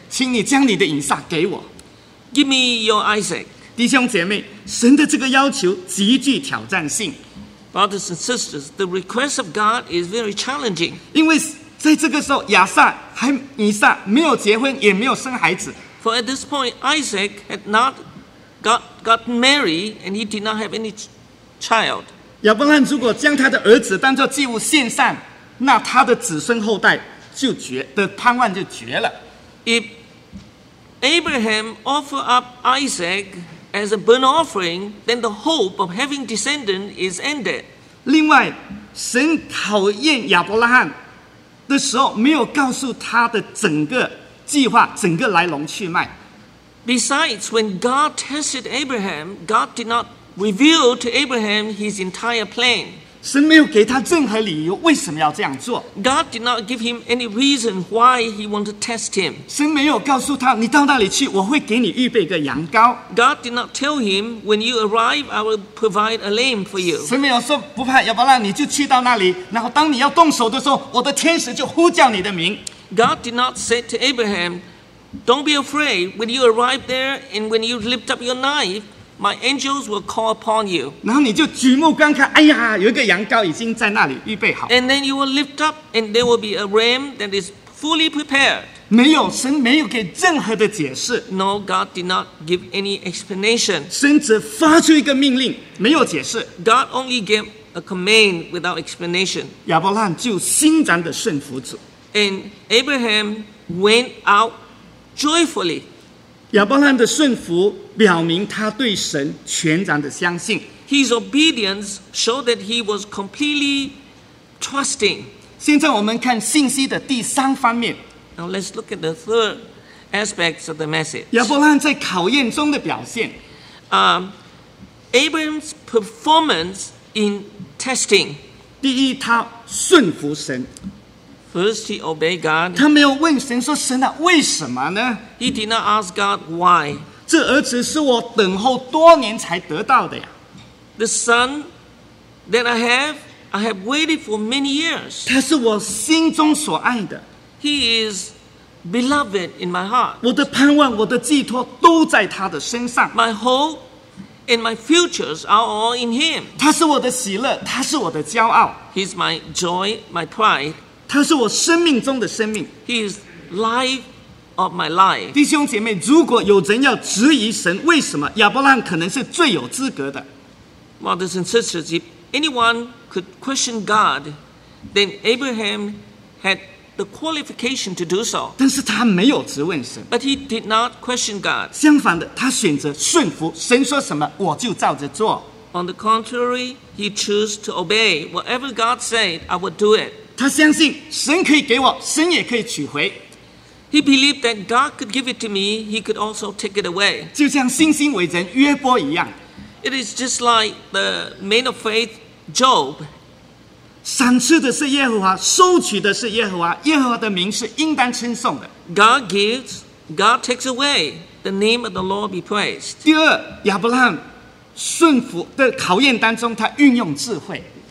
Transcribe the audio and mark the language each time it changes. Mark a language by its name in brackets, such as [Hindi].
[Chinese] 请你将你的以撒给我。 [English] Give me your Isaac. [Chinese] 弟兄姐妹，神的这个要求极具挑战性。 [English] Brothers and sisters, the request of God is very challenging. [Chinese] 因为在这个时候，亚撒还以撒没有结婚，也没有生孩子。 [English] For at this point, Isaac had not got married, and he did not have any child. [Chinese] 亚伯兰如果将他的儿子当作祭物献上，那他的子孙后代就绝的盼望就绝了。 [English] If Abraham offered up Isaac. As a burnt offering, then the hope of having descendant is ended. [Chinese] 另外，神考验亚伯拉罕的时候，没有告诉他的整个计划、整个来龙去脉。 [English] Besides, when God tested Abraham, God did not reveal to Abraham his entire plan. [Chinese] 神没有给他任何理由为什么要这样做。 [English] God did not give him any reason why he wanted to test him. [Chinese] 神没有告诉他，你到那里去，我会给你预备个羊羔。 [English] God did not tell him, when you arrive, I will provide a lamb for you. [Chinese] 神没有说，不怕，亚伯拉，你就去到那里，然后当你要动手的时候，我的天使就呼叫你的名。 [English] God did not say to Abraham, don't be afraid, when you arrive there, and when you lift up your knife,My angels will call upon you. [Chinese] 然后你就举目观看，哎呀，有一个羊羔已经在那里预备好。 [English] And then you will lift up, and there will be a ram that is fully prepared. [Chinese] 没有，神没有给任何的解释。 [English] No, God did not give any explanation. [Chinese] 神只发出一个命令，没有解释。 [English] God only gave a command without explanation. [Chinese] 亚伯拉罕就欣然的顺服主。 [English] And Abraham went out joyfully. [Chinese] 亚伯兰的顺服表明他对神全然的相信。 [English] His obedience showed that he was completely trusting. [Chinese] 现在我们看信息的第三方面。 [English] Now let's look at the third aspects of the message. [Chinese] 亚伯兰在考验中的表现。 [English] Abraham's performance in testing. [Chinese] 第一，他顺服神。 [English] First, he obeyed God. [Chinese] 他没有问神说：“神啊，为什么呢？” [English] He did not ask God why. [Chinese] 这儿子是我等候多年才得到的呀。 [English] The son that I have waited for many years. [Chinese] 他是我心中所爱的。 [English] He is beloved in my heart. [Chinese] 我的盼望、我的寄托都在他的身上。 [English] My hope and my futures are all in him. [Chinese] 他是我的喜乐，他是我的骄傲。 [English] He's my joy, my pride. [Chinese] 他是我生命中的生命。 [English] He is life of my life. [Chinese] 弟兄姐妹，如果有人要质疑神，为什么亚伯拉罕可能是最有资格的 [English] ？Brothers and sisters, if anyone could question God, then Abraham had the qualification to do so. [Chinese] 但是他没有质问神。 [English] But he did not question God. [Chinese] 相反的，他选择顺服，神说什么我就照着做。 [English] On the contrary, he chose to obey whatever God said. I would do it. [Chinese] 他相信神可以给我，神也可以取回。 [English] He believed that God could give it to me, he could also take it away. [Chinese] 就像信心伟人约伯一样。 [English] It is just like the man of faith, Job. [Chinese] 赏赐的是耶和华，收取的是耶和华，耶和华的名是应当称颂的。 [English] God gives, God takes away. The name of the Lord be praised. [Chinese] 第二，亚伯拉罕顺服的考验当中，他运用智慧。